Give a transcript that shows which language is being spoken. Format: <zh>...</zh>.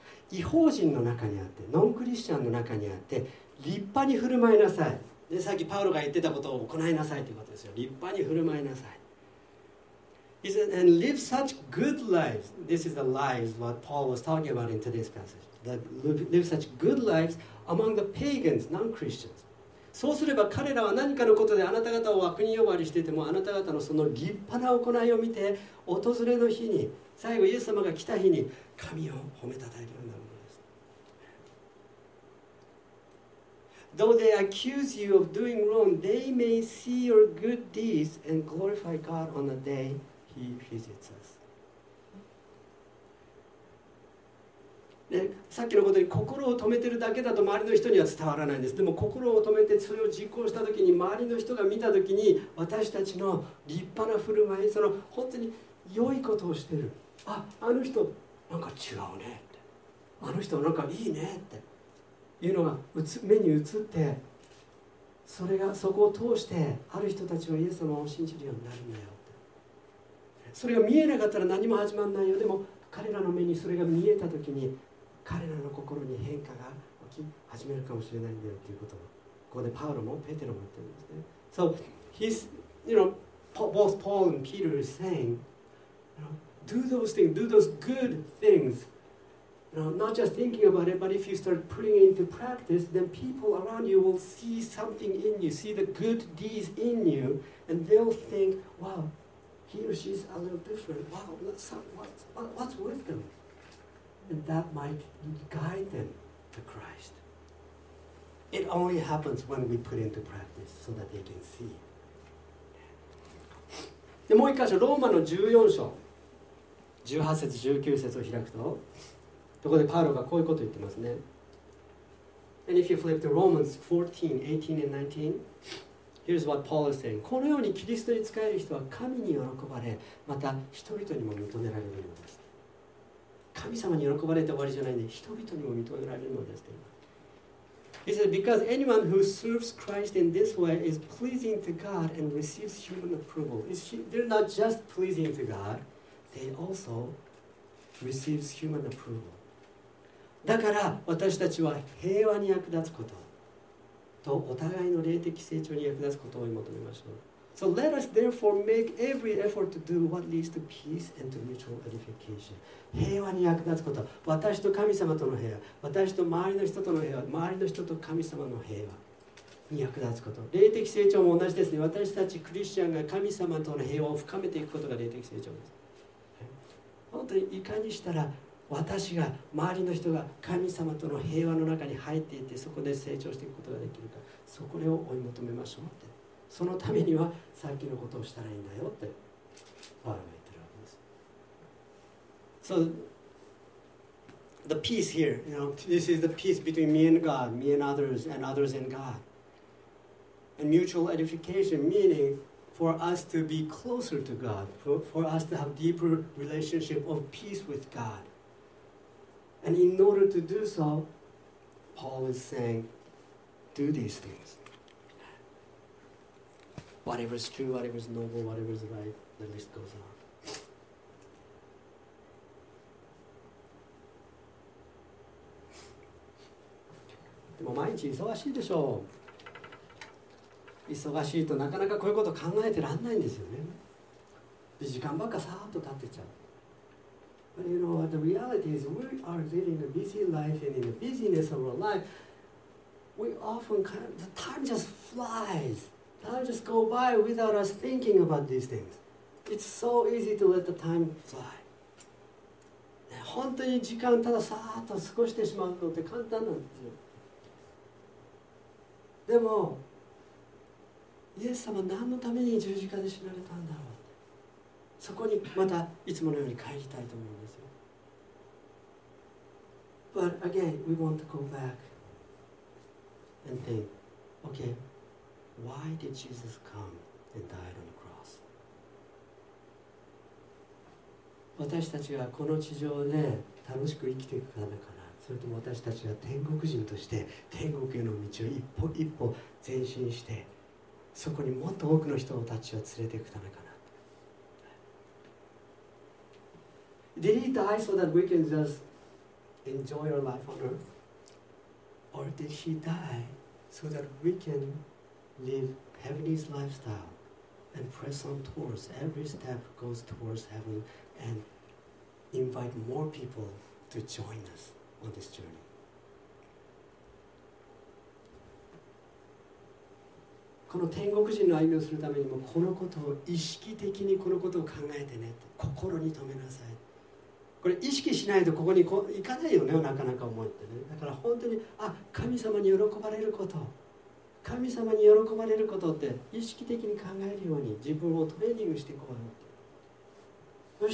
<ja>異邦人の中にあって、ノンクリスチャンの中にあって、立派に振る舞いなさい。で、さっきパウロが言ってたことを行いなさいということですよ。立派に振る舞いなさい。</ja> <en>He said, and live such good lives. This is the lives what Paul was talking about in today's passage. That live such good lives among the pagans, non-Christians.</en> <ja>そうすれば彼らは何かのことであなた方を悪人呼ばわりしていても、あなた方のその立派な行いを見て、訪れの日に、最後イエス様が来た日に、神を褒めたたえるようになるものです。</ja> <en>Though they accuse you of doing wrong, they may see your good deeds and glorify God on the day he visits us.</en> <ja>ね、さっきのことに心を止めてるだけだと周りの人には伝わらないんです。でも心を止めてそれを実行したときに、周りの人が見たときに、私たちの立派な振る舞い、その本当に良いことをしてる、あの人なんか違うねって、あの人なんかいいねっていうのが目に映って、それがそこを通してある人たちはイエス様を信じるようになるんだよって、それが見えなかったら何も始まんないよ。でも彼らの目にそれが見えたときに、彼らの心に変化が起き始めるかもしれないんだよということを、ここでパウロもペテロも言ってるんですね。</ja> <en>So, he's, you know, both Paul and Peter is saying, you know, do those things, do those good things. You know, not just thinking about it, but if you start putting it into practice, then people around you will see something in you, see the good deeds in you, and they'll think, wow,He or she's a little different. Wow, what's with them? And that might guide them to Christ. It only happens when we put into practice so that they can see.</en> <ja>で、もう一箇所、ローマの14章、18節、19節を開くと、そこでパウロがこういうことを言ってますね。</ja> <en>And if you flip to Romans 14, 18 and 19, Here's what Paul is saying.</en> <ja>このようにキリストに仕える人は神に喜ばれ、また人々にも認められるのです。神様に喜ばれて終わりじゃないね。人々にも認められるのです。</ja> <en>He says, because anyone who serves Christ in this way is pleasing to God and receives human approval. They're not just pleasing to God, they also receive human approval.</en> <ja>だから私たちは平和に役立つこととお互いの霊的成長に役立つことを求めましょう。</ja> <en>So let us therefore make every effort to do what leads to peace and to mutual edification.</en> <ja>平和に役立つこと。私と神様との平和。私と周りの人との平和。周りの人と神様の平和に役立つこと。霊的成長も同じですね。私たちクリスチャンが神様との平和を深めていくことが霊的成長です。本当にいかにしたら私が周りの人が神様との平和の中に入っていってそこで成長していくことができるか、そこを追い求めましょうって。そのためにはさっきのことをしたらいいんだよってパウロが言ってるわけです。</ja> <en>So the peace here, you know, this is the peace between me and God, me and others and God, and mutual edification, meaningfor us to be closer to God, for us to have deeper relationship of peace with God. And in order to do so, Paul is saying, do these things. Whatever is true, whatever is noble, whatever is right, the list goes on.</en> <ja>でも毎日忙しいでしょう。忙しいとなかなかこういうこと考えてらんないんですよね。で時間ばっかさーっと経ってちゃう。</ja> <en>But you know what? The reality is we are living a busy life and in the busyness of our life, we often kind of, the time just flies. Time just go by without us thinking about these things. It's so easy to let the time fly.</en> <ja>本当に時間たださーっと過ごしてしまうのって簡単なんですよ。でも、イエス様は何のために十字架で死なれたんだろう。そこにまたいつものように帰りたいと思うんですよ。</ja> <en>But again, we want to go back and think, okay, why did Jesus come and died on the cross?</en> <ja>私たちがこの地上で楽しく生きていくためかな、それとも私たちが天国人として天国への道を一歩一歩前進してそこにもっと多くの人たちを連れていくためかな。</ja> <en>Did he die so that we can just enjoy our life on earth? Or did he die so that we can live heavenly's lifestyle and press on towards every step goes towards heaven and invite more people to join us on this journey?</en> <ja>この天国人の歩みをするためにもこのことを意識的にこのことを考えてねと心に留めなさい。これ意識しないとここに行かないよね、なかなか思ってね。だから本当に、あ、神様に喜ばれること、神様に喜ばれることって意識的に考えるように自分をトレーニングしていこうよって。</ja>